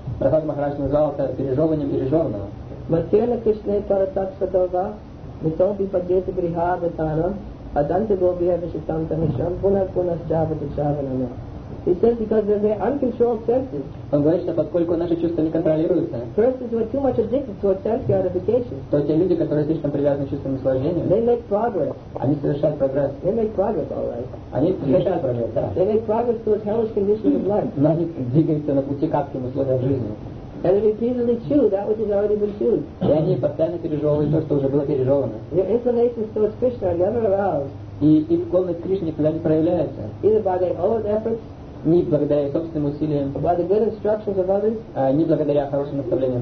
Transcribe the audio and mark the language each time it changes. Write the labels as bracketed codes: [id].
[ru] Prahlad Maharaj назвал это пережёванием пережёванного. Матерна Кришна Таратаксатова, Митоби Падьета Гриха Аватана, Аданта Гоби Авишитанта Мишам, Пунат Пунас Джавата Джаванана. [en] He says because they're uncontrolled senses. [ru] Он говорит, что поскольку наши чувства не контролируются. [en] Persons who are too much addicted to sense gratification. [ru] То те люди, которые слишком привязаны к чувственным наслаждениям. [en] They make progress. [ru] Они совершают прогресс. [en] They make progress, all right. [ru] Они совершают прогресс, да. [en] They make progress towards hellish conditions of life. [ru] Но они двигаются на пути к адским условиям жизни. [en] And they repeatedly chew that which has already been chewed. [ru] И они постоянно пережевывают то, что уже было пережевано. [en] Their inclinations towards Krishna are never aroused. [ru] И их склонность к Кришне никогда не проявляется. [en] Either by their own efforts. [ru] Не благодаря собственным усилиям, [en] by the good instructions of others, [ru] не благодаря хорошим наставлениям